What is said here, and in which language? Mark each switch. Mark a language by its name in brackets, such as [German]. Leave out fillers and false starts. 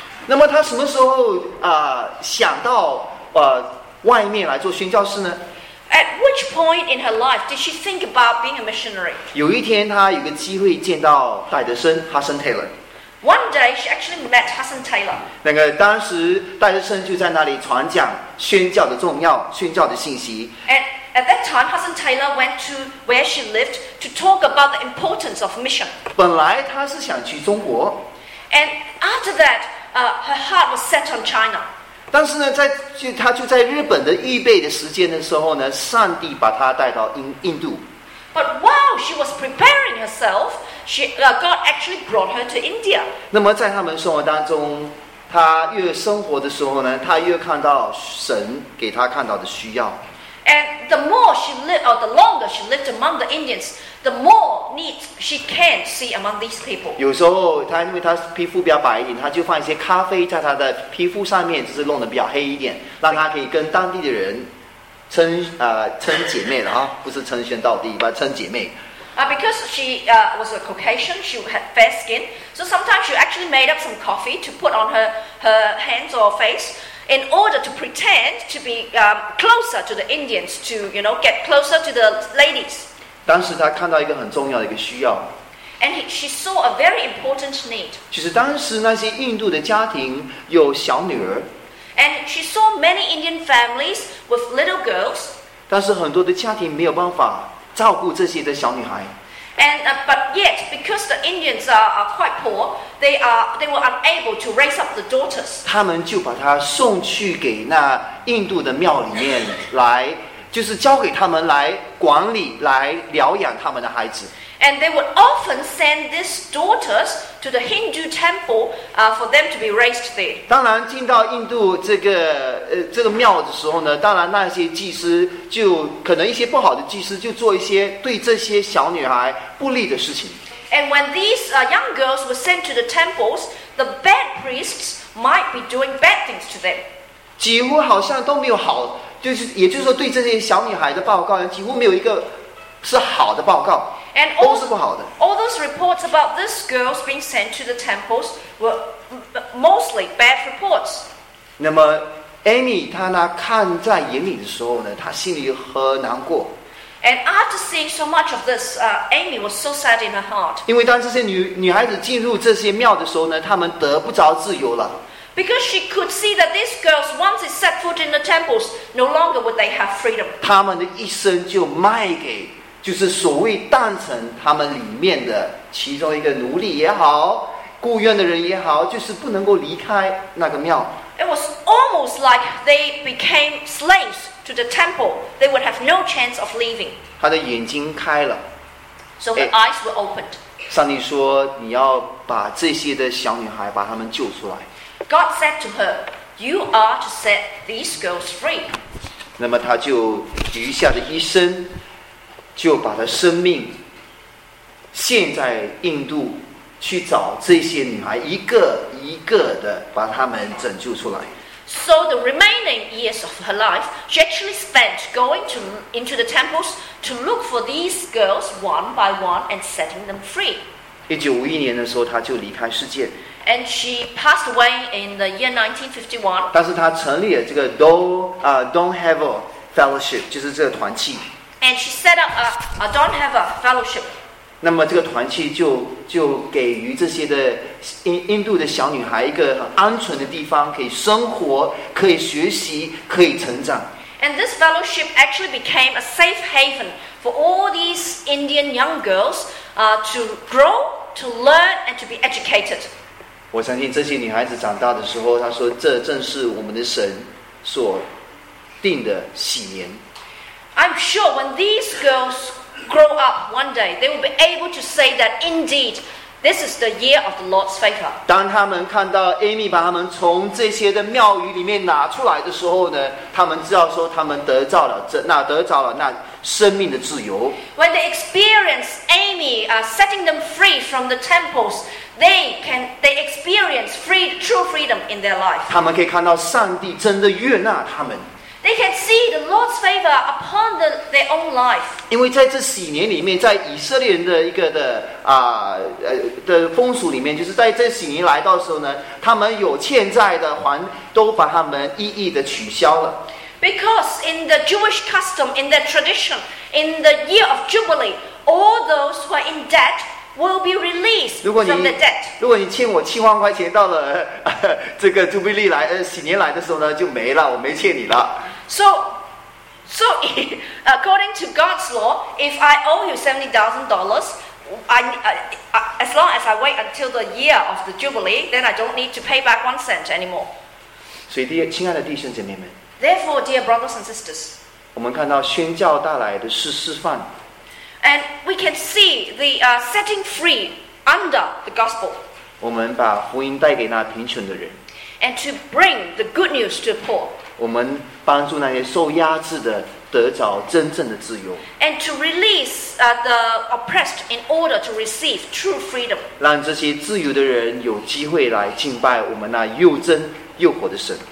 [Chinese] 那么她什么时候想到外面来做宣教士呢？ [English] At which point in her life did she think about being a missionary? [Chinese] 有一天她有个机会见到戴德森 Hudson Taylor. [English] One day she actually met Hudson Taylor. [Chinese] 那个当时戴德森就在那里传讲宣教的重要，宣教的信息。 [English] At that time Hudson Taylor went to where she lived to talk about the importance of mission. [Chinese] 本来她是想去中国。 [English] And after that, her heart was set on China. [Chinese] 但是呢，在就他就在日本的预备的时间的时候呢，上帝把他带到印度。 [English] But while she was preparing herself, God actually brought her to India. [Chinese] 那么在他们生活当中，他越生活的时候呢，他越看到神给他看到的需要。 [English] And the more she lived, or the longer she lived among the Indians, the more needs she can see among these people. [Chinese] 有时候她因为她皮肤比较白一点，她就放一些咖啡在她的皮肤上面，就是弄得比较黑一点，让她可以跟当地的人称姐妹了啊，不是称兄道弟，不称姐妹。 [English] Because she was a Caucasian, she had fair skin, so sometimes she actually made up some coffee to put on her hands or face. In order to pretend to be closer to the Indians, to you know, get closer to the ladies. [Chinese] 当时他看到一个很重要的一个需要。 [English] And she saw a very important need. [Chinese] 就是当时那些印度的家庭有小女儿。 [English] And she saw many Indian families with little girls. [Chinese] 但是很多的家庭没有办法照顾这些的小女孩。 [English] And but yet, because the Indians are quite poor, they were unable to raise up the daughters. [Chinese] 他们就把她送去给那印度的庙里面来，就是交给他们来管理、来疗养他们的孩子。 [English] And they would often send these daughters to the Hindu temple for them to be raised there. [Chinese] 当然进到印度这个庙的时候呢，当然那些祭司就可能一些不好的祭司就做一些对这些小女孩不利的事情。 [English] And when these young girls were sent to the temples, the bad priests might be doing bad things to them. [Chinese] 几乎好像都没有好，就是也就是说对这些小女孩的报告几乎没有一个是好的报告。 [English] And all those reports about these girls being sent to the temples were mostly bad reports. [Chinese] 那么 Amy 她呢看在眼里的时候呢，她心里很难过。 [English] And after seeing so much of this, Amy was so sad in her heart. [Chinese] 因为当这些女孩子进入这些庙的时候呢，她们得不着自由了。 [English] Because she could see that these girls, once they set foot in the temples, no longer would they have freedom. [Chinese] 她们的一生就卖给就是所谓当成他们里面的其中一个奴隶也好，雇佣的人也好，就是不能够离开那个庙。 [English] It was almost like they became slaves to the temple. They would have no chance of leaving. [Chinese] 他的眼睛开了。 [English] So her eyes were opened. [Chinese] 上帝说：“你要把这些的小女孩把她们救出来。” [English] God said to her, "You are to set these girls free." [Chinese] 那么他就余下的一生。就把他生命献在印度去找这些女孩一个一个的把她们拯救出来。 [English] So the remaining years of her life she actually spent going to, into the temples to look for these girls one by one and setting them free. [Chinese] 1951年的时候她就离开世界。 [English] And she passed away in the year 1951. [Chinese] 但是她成立了这个 Don Heaver Fellowship 就是这个团契。 [English] And she set up a Don Heaver Fellowship. [Chinese] 那么这个团契就给予这些的印度的小女孩一个很安全的地方，可以生活，可以学习，可以成长。 [English] And this fellowship actually became a safe haven for all these Indian young girls, to grow, to learn, and to be educated. [Chinese] 我相信这些女孩子长大的时候，她说：“这正是我们的神所定的禧年。” [English] I'm sure when these girls grow up one day, they will be able to say that indeed, this is the year of the Lord's favor. [Chinese] 当他们看到 Amy 把他们从这些的庙宇里面拿出来的时候呢，他们知道说他们得着了那生命的自由。 [English] When they experience Amy setting them free from the temples, they experience true freedom in their life. [Chinese] 他们可以看到上帝真的悦纳他们。 [English] They can see the Lord's favor upon their own life. [Chinese] 因为在这禧年里面，在以色列人的一个的风俗里面，就是在这禧年来到的时候呢，他们有欠债的还都把他们一一的取消了。 [English] Because in the Jewish custom, in the tradition, in the year of Jubilee, all those who are in debt will be released from the debt. [Chinese] 如果你欠我7万块钱，到了这个Jubilee来禧年来的时候呢，就没了，我没欠你了。 [English] So, according to God's law, if I owe you $70,000, as long as I wait until the year of the Jubilee, then I don't need to pay back 1 cent anymore. [Chinese] 所以，亲爱的弟兄姐妹们 [English] ，Therefore, dear brothers and sisters, [Chinese] 我们看到宣教带来的是示范 [English] ，and we can see the setting free under the gospel. [Chinese] 我们把福音带给那贫穷的人 [English] ，and to bring the good news to the poor. [Chinese] 我们帮助那些受压制的得着真正的自由 [English] and to release the oppressed in order to receive true freedom [Chinese] 让这些自由的人有机会来敬拜我们那又真又活的神